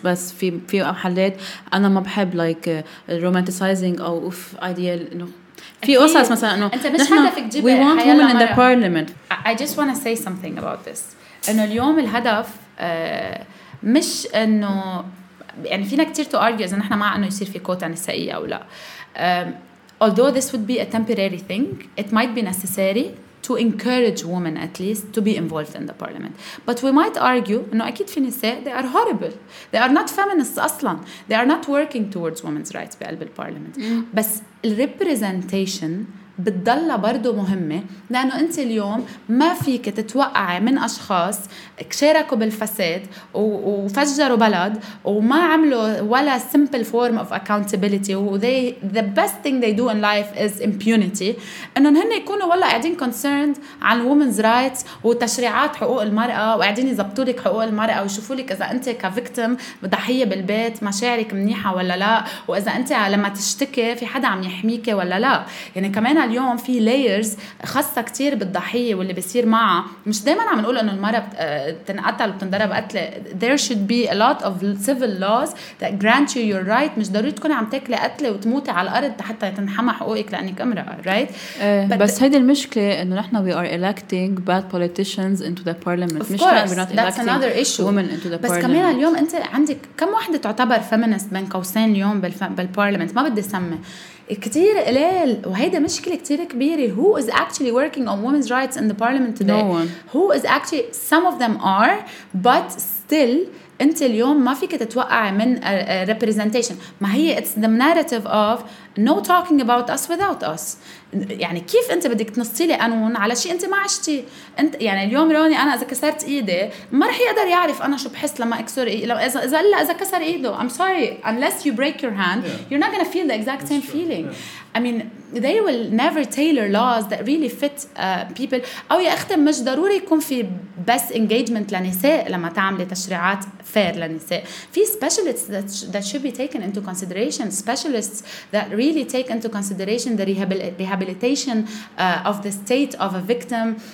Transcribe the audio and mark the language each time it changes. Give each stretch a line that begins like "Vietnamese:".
Arabic: بس في حالات أنا ما بحب
English: like romanticizing
Arabic: أو أوف ideal إنه في أساس مثلا إنه نحن
English: we want women in the parliament. I just want to say something about this.
Arabic: إنه اليوم الهدف مش انه يعني فينا كتير
English: to argue
Arabic: اذا نحن مع انه يصير في كوتا نسائية او لا.
English: Although this would be a temporary thing, it might be necessary to encourage women at least to be involved in the parliament. But we might argue
Arabic: انه اكيد في نساء
English: they are horrible. They are not feminists
Arabic: اصلا.
English: They are not working towards women's rights
Arabic: بقلب البرلمنت. بس الrepresentation بتضلها برضو مهمة, لأنه أنت اليوم ما فيك تتوقع من أشخاص شاركوا بالفساد وفجروا بلد وما عملوا ولا
English: simple form of accountability,
Arabic: و
English: they the best thing they do in life is impunity,
Arabic: أنه هن يكونوا ولا قاعدين concerned عن
English: women's rights
Arabic: وتشريعات حقوق المرأة وقاعدين يزبطوا لك حقوق المرأة ويشوفوا لك إذا أنت كفيكتم ضحية بالبيت مشاعرك منيحة ولا لا, وإذا أنت لما تشتكي في حدا عم يحميك ولا لا. يعني كمان اليوم في layers خاصة كتير بالضحية واللي بيصير معها, مش دايما عم نقول انه المرأة بتنقتل وبتنضرب قتلة.
English: There should be a lot of civil laws that grant you your right.
Arabic: مش ضروري تكوني عم تاكلي قتلة وتموتي على الأرض حتى تنحمى حقوقك لأنك امرأة,
English: right?
Arabic: بس هيدي المشكلة انه نحن
English: we are electing bad politicians into the parliament. Of course, that's another issue. Women into the
Arabic: بس
English: parliament.
Arabic: كمان اليوم انت عندك كم واحدة تعتبر feminist بين قوسين اليوم بالبارلمنت؟ ما بدي اسمي كتير قليل, وهيدا مشكلة كتير كبيرة.
English: Who is actually working on women's rights in the parliament today? No one. Who is actually, some of them are, but still
Arabic: انت اليوم ما فيك تتوقع من
English: representation.
Arabic: ما هي
English: it's the narrative of no talking about us without us.
Arabic: يعني كيف انت بدك تنصي لي قانون على شيء انت ما عشتي؟ انت يعني اليوم روني انا اذا كسرت ايدي ما رح يقدر يعرف انا شو بحس لما اكسر ايدي, لو اذا الا اذا كسر ايده.
English: I'm sorry, unless you break your hand, yeah, you're not gonna feel the exact same feeling. Yeah. I mean, they will never tailor laws that really fit people.
Arabic: او يا اختي مش ضروري يكون في
English: best engagement لنساء
Arabic: لما تعملي تشريعات
English: fair لنساء. في specialists that should be taken into consideration, specialists that really take into consideration the rehabilitation of the state of a victim.